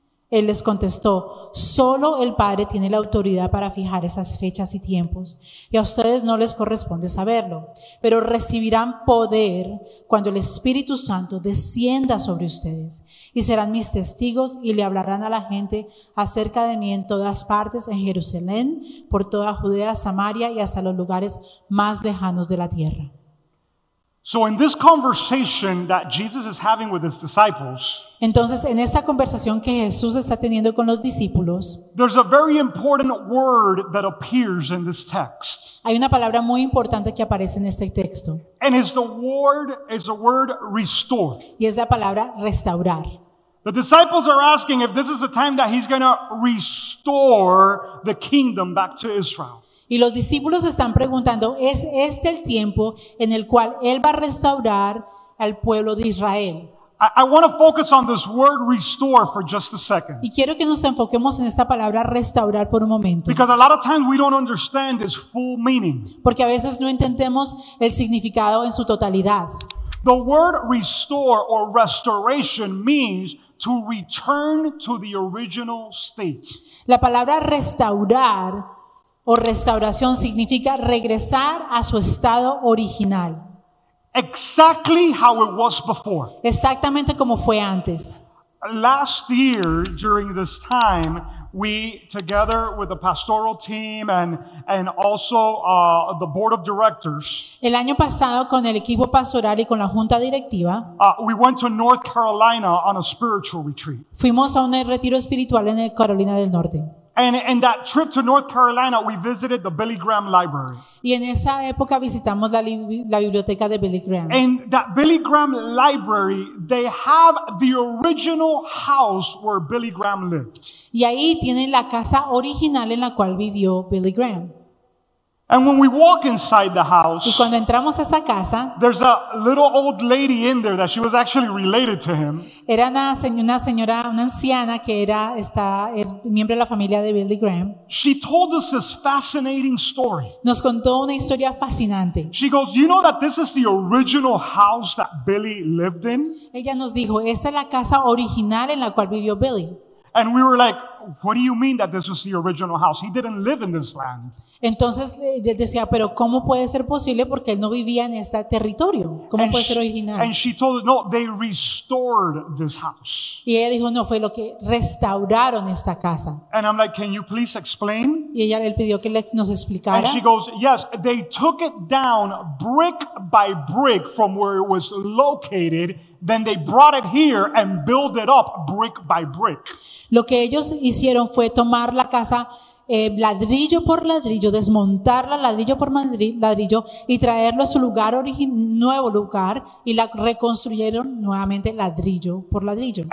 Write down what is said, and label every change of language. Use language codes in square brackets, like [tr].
[es] Él les contestó: solo el Padre tiene la autoridad para fijar esas fechas y tiempos, y a ustedes no les corresponde saberlo, pero recibirán poder cuando el Espíritu Santo descienda sobre ustedes, y serán mis testigos y le hablarán a la gente acerca de mí en todas partes, en Jerusalén, por toda Judea, Samaria y hasta los lugares más lejanos de la tierra. [en] So in this conversation that Jesus is having with his disciples, [es] entonces en esta conversación que Jesús está teniendo con los discípulos, [en] there's a very important word that appears in this text. [es] Hay una palabra muy importante que aparece en este texto. [en] And it's the word restore. [es] Y es la palabra restaurar. [en] The disciples are asking if this is the time that he's going to restore the kingdom back to Israel. [es] Y los discípulos están preguntando: ¿es este el tiempo en el cual Él va a restaurar al pueblo de Israel? [en] I want to focus on this word restore for just a second. [es] Y quiero que nos enfoquemos en esta palabra restaurar por un momento. [en] Because a lot of times we don't understand its full meaning. [es] Porque a veces no entendemos el significado en su totalidad. [en] The word restore or restoration means to return to the original state. [es] La palabra restaurar o restauración significa regresar a su estado original. [en] Exactly how it was before. [es] Exactamente como fue antes. [en] Last year during this time, we together with the pastoral team and also the board of directors. [es] El año pasado con el equipo pastoral y con la junta directiva, [en] we went to North Carolina on a spiritual retreat. [es] Fuimos a un retiro espiritual en Carolina del Norte. [en] And in that trip to North Carolina, we visited the Billy Graham Library. [es] Y en esa época visitamos la biblioteca de Billy Graham. [en] And that Billy Graham Library, they have the original house where Billy Graham lived. [es] Y ahí tienen la casa original en la cual vivió Billy Graham. [en] And when we walk inside the house, [es] y cuando entramos a esa casa, [en] there's a little old lady in there that she was actually related to him. [es] Era una señora, una anciana que era miembro de la familia de Billy Graham. [en] She told us this fascinating story. [es] Nos contó una historia fascinante. [en] She goes, "You know that this is the original house that Billy lived in?" [es] Ella nos dijo, "Esa es la casa original en la cual vivió Billy." [en] And we were like, "What do you mean that this was the original house? He didn't live in this land." [es] Entonces él decía, pero ¿cómo puede ser posible? Porque él no vivía en este territorio. ¿Cómo [en] and [es] puede [en] she, [es] ser original? [en] And she told us, no, they restored this house. [es] Y ella dijo, no, fue lo que restauraron esta casa. [en] And I'm like, can you please explain? [es] Y ella le pidió que nos explicara. [en] And she goes, yes, they took it down brick by brick from where it was located. Then they brought it here and built it up brick by brick. [es] Lo que ellos hicieron fue tomar la casa ladrillo por ladrillo, desmontarla ladrillo por ladrillo y traerlo a su lugar nuevo lugar y la reconstruyeron nuevamente ladrillo por ladrillo.